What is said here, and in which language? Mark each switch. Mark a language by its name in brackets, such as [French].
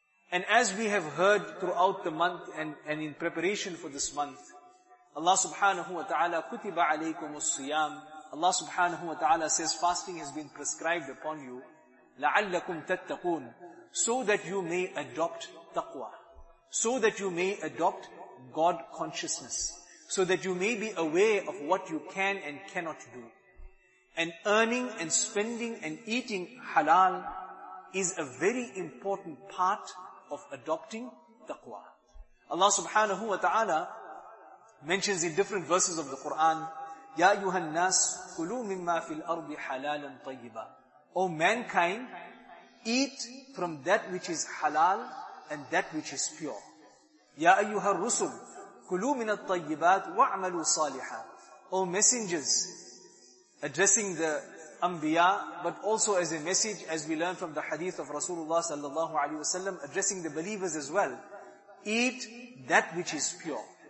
[English] And as we have heard throughout the month and in preparation for this month, Allah subhanahu wa ta'ala, [Arabic] kutiba alaykumus siyam, [English] Allah subhanahu wa ta'ala says, fasting has been prescribed upon you, [Arabic] la'allakum tattaqoon, [English] so that you may adopt taqwa, so that you may adopt God consciousness, so that you may be aware of what you can and cannot do. And earning and spending and eating halal is a very important part of adopting taqwa. Allah subhanahu wa ta'ala mentions in different verses of the Quran, [Arabic] يَا أَيُّهَا النَّاسُ كُلُوا مِمَّا فِي الْأَرْضِ حَلَالًا طَيِّبًا. [English] O mankind, eat from that which is halal and that which is pure. [Arabic] يَا أَيُّهَا الرُّسُلُ كُلُوا مِنَ الطَّيِّبَاتِ وَعْمَلُوا صَالِحًا. [English] O messengers, addressing the Anbiya, but also as a message, as we learn from the hadith of Rasulullah sallallahu alayhi wasallam, addressing the believers as well, eat that which is pure.